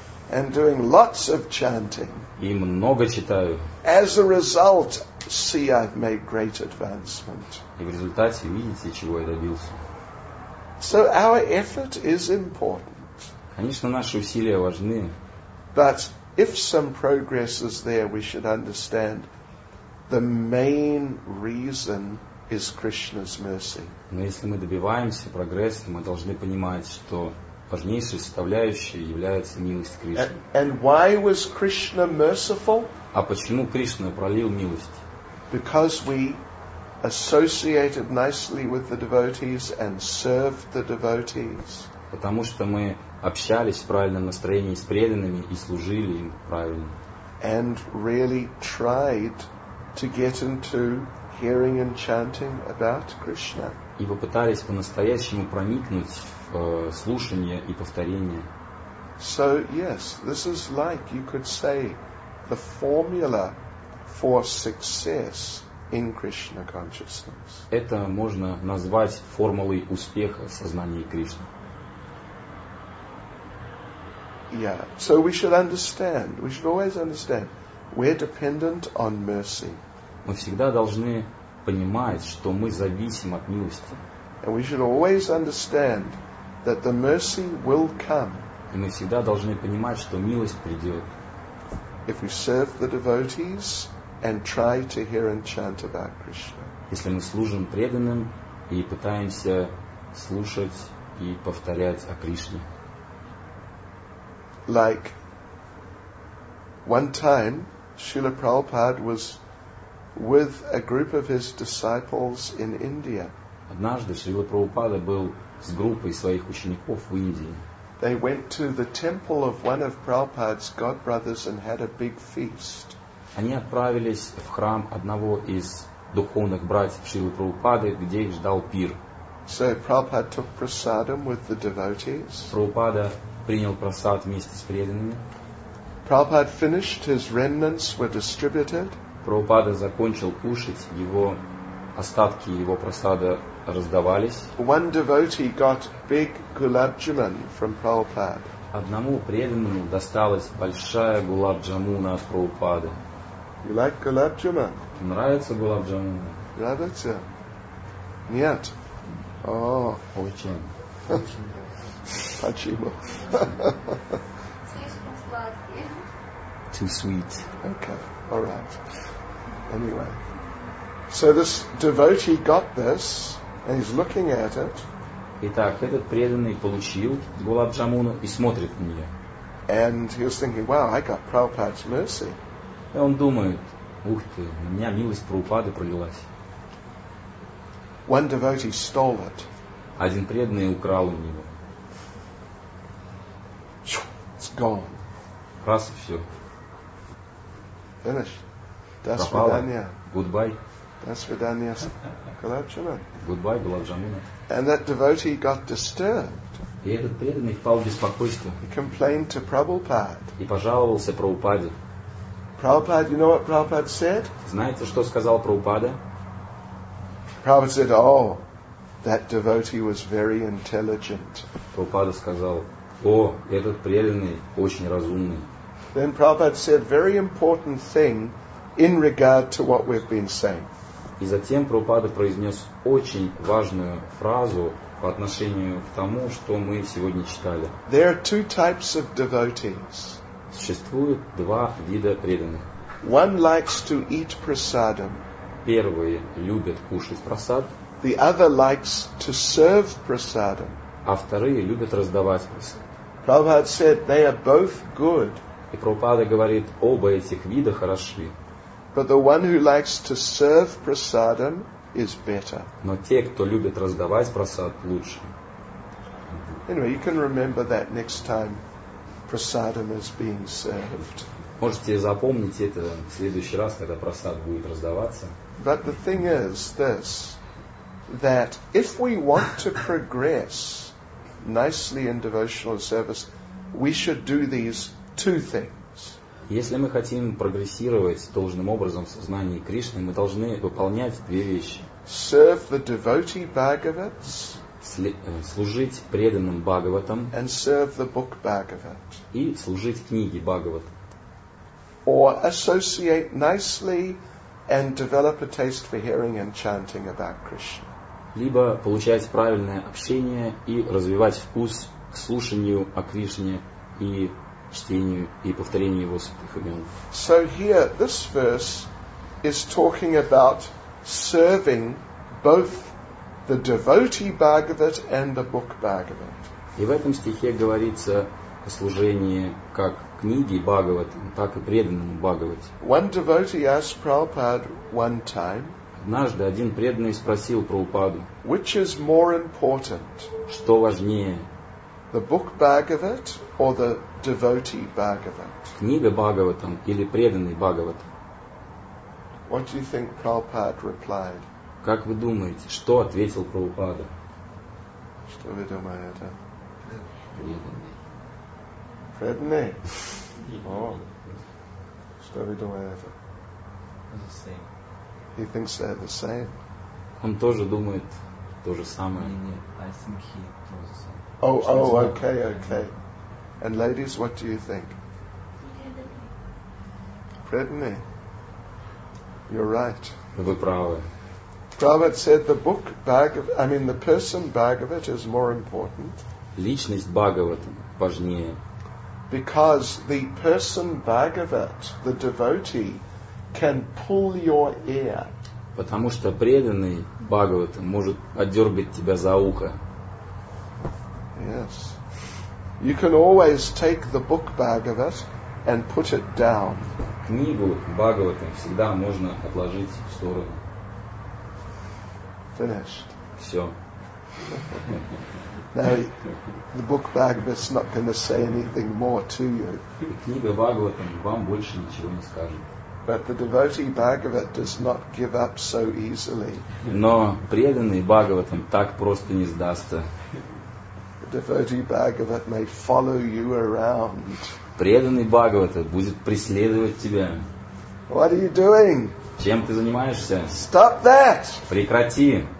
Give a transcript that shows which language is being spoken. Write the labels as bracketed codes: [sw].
[en] And doing lots of chanting. [ru] И много читаю. [en] As a result, see, I've made great advancement. [ru] И в результате видите, чего я добился. [en] So our effort is important. [ru] Конечно, наши усилия важны. [en] But if some progress is there, we should understand the main reason is Krishna's mercy. [ru] Но если мы добиваемся прогресса, мы должны понимать, что важнейшей составляющей является милость Кришны. [en] And why was Krishna merciful? [ru] А почему Кришна пролил милость? [en] Because we associated nicely with the devotees and served the devotees. [ru] Потому что мы общались в правильном настроении с преданными и служили им правильно. [en] And really tried to get into hearing and chanting about Krishna. [ru] И попытались по-настоящему проникнуть в слушание и повторение. [en] So yes, this is like you could say the formula for success in Krishna consciousness. [ru] Это можно назвать формулой успеха в сознании Кришны. [en] Yeah. So we should understand. We should always understand. We're dependent on mercy. [ru] Мы всегда должны понимать, что мы зависим от милости. [en] And we should always understand that the mercy will come. [ru] И мы всегда должны понимать, что милость придет. [en] If we serve the devotees and try to hear and chant about Krishna. [ru] Если мы служим преданным и пытаемся слушать и повторять о Кришне. [en] Like one time Srila Prabhupada was with a group of his disciples in India. [ru] Однажды Шрила Прабхупада был с группой своих учеников в Индии. [en] They went to the temple of one of Prabhupada's godbrothers and had a big feast. [ru] Они отправились в храм одного из духовных братьев Шрилы Прабхупады, где их ждал пир. [en] So Prabhupada took prasadam with the devotees. [ru] Прабхупада принял прасад вместе с преданными. [en] Prabhupada finished, his remnants were distributed. [ru] Прабхупада закончил кушать, его остатки его прасада раздавались. [en] One devotee got big gulab jamun from Prabhupada. [ru] Одному преданному досталась большая гулаб джамуна от Прабхупады. [en] You like gulab jamun? [ru] Нравится гулаб джамун? Нравится? Нет. О. Очень. Спасибо. Слишком сладкий. [en] Too sweet. Okay. All right. Anyway. So this devotee got this and he's looking at it. [ru] Итак, этот преданный получил гулаб джамуну и смотрит на нее. [en] And he was thinking, wow, I got Prabhupada's mercy. [ru] И он думает, ух ты, у меня милость Прабхупады пролилась. [en] One devotee stole it. [ru] Один преданный украл у него. [en] It's gone. [ru] Раз и все. [en] Finished. [ru] До свидания. [en] Goodbye. [ru] До свидания. Gulab jamun. [en] Goodbye, gulab jamun. And that devotee got disturbed. [ru] И этот преданный впал в беспокойство. [en] He complained to Prabhupada. [ru] И пожаловался Прабхупаде. [en] Prabhupada, you know what Prabhupada said? [ru] Знаете, что сказал Прабхупада? [en] Prabhupada said, oh, that devotee was very intelligent. [ru] Прабхупада сказал, о, этот преданный очень разумный. [en] Then Prabhupada said very important thing in regard to what we've been saying. [ru] И затем Прабхупада произнес очень важную фразу по отношению к тому, что мы сегодня читали. [en] There are two types of devotees. [ru] Существует два вида преданных. [en] One likes to eat prasadam. [ru] Первый любит кушать прасад. [en] The other likes to serve prasadam. [ru] А вторые любят раздавать прасад. [en] Prabhupada said they are both good. [ru] И Прабхупада говорит, оба этих вида хороши. [en] But the one who likes to serve prasadam is better. [ru] Но те, кто любит раздавать прасад, лучше. [en] Anyway, you can remember that next time prasadam is being served. [ru] Можете запомнить это в следующий раз, когда прасад будет раздаваться. [en] But the thing is this, that if we want to progress nicely in devotional service, we should do these two things. [ru] Если мы хотим прогрессировать должным образом в сознании Кришны, мы должны выполнять две вещи. [en] Serve the devotee Bhagavats. [ru] Служить преданным Бхагаватам. [en] And serve the book Bhagavat. [ru] И служить книге Бхагават. [en] Or associate nicely and develop a taste for hearing and chanting about Krishna. [ru] Либо получать правильное общение и развивать вкус к слушанию о Кришне и чтению и повторению его святых имен. [en] So here this verse is talking about serving both the devotee Bhagavat and the book Bhagavat. [ru] И в этом стихе говорится о служении как книге Бхагават, так и преданному Бхагавате. [en] One devotee asked Prabhupada one time. [ru] Однажды один преданный спросил Прабхупаду. [en] Which is more important? [ru] Что важнее? [en] The book Bhagavat or the devotee Bhagavat? [ru] Книга Бхагаватам или преданный Бхагават? [en] What do you think Prabhupada replied? [ru] Как вы думаете, что ответил Прабхупада? Что вы думаете? Преданный. Преданный? О. Что вы думаете? [en] The same. He thinks they're the same. [ru] Он тоже думает то же самое. [en] I think he thinks the same. Okay. And ladies, what do you think? [ru] Преданный. [en] You're right. [ru] Вы правы. [en] Prabhupada said the book Bhagavat, the person Bhagavat is more important. [ru] Личность Бхагавата важнее. [en] Because the person Bhagavat, the devotee, can pull your ear. [ru] Потому что преданный Бхагавата может отдёрнуть тебя за ухо. [en] Yes. You can always take the book Bhagavat and put it down. [ru] Книгу Бхагавата всегда можно отложить в сторону. [en] Finished. [ru] Все. [en] Now, the book Bhagavat's not going to say anything more to you. [ru] Книга Бхагаватам вам больше ничего не скажет. [en] But the devotee Bhagavat does not give up so easily. [ru] Но преданный Бхагаватам так просто не сдастся. [en] The devotee Bhagavat may follow you around. [ru] Преданный Бхагавата будет преследовать тебя. [en] What are you doing? [ru] Чем ты занимаешься? [en] Stop that! [ru] Прекрати!